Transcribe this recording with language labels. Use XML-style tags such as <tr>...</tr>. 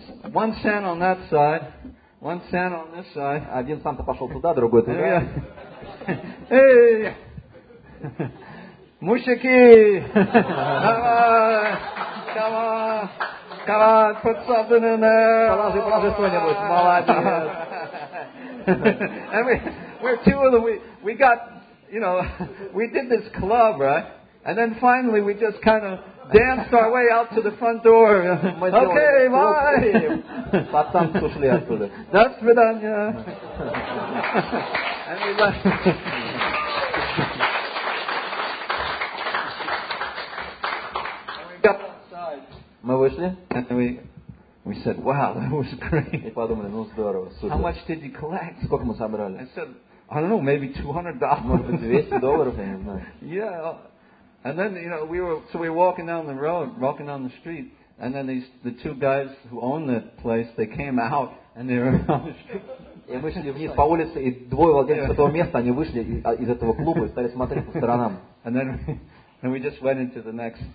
<en>One Santa on that side, one Santa on this side.</en> <ru>Один Санта пошел туда, другой туда.</ru> <en>Hey,</en> <ru>мужики,</ru> <en>come on, put something in there.</en> <ru>Положи что-нибудь, молодец.</ru> <en>And we're two of the we got, you know, we did this club, right? And then finally we just kind of danced our way out to the front door. Okay, bye!</en> <ru>Пацан ушли оттуда. До свидания!</ru> <en>And we left.</en> <ru>Мы вышли.</ru> <en>We said, "Wow, that was great."</en> <ru>И подумали, ну здорово, супер.</ru> <en>How much did you collect?</en> <ru>Сколько мы собрали?</ru> <en>I said, "I don't know, maybe $200."</en> <ru>Может быть, $200, я не знаю.</ru> <en>Yeah, and then you know we were walking down the road, walking down the street, and then the two guys who owned the place they came out and they were on the street.</en> <ru>И мы шли вниз по улице, и двое владельцев этого места, они вышли из этого клуба и стали смотреть по сторонам.</ru> <en>And then we just went into the next.</en>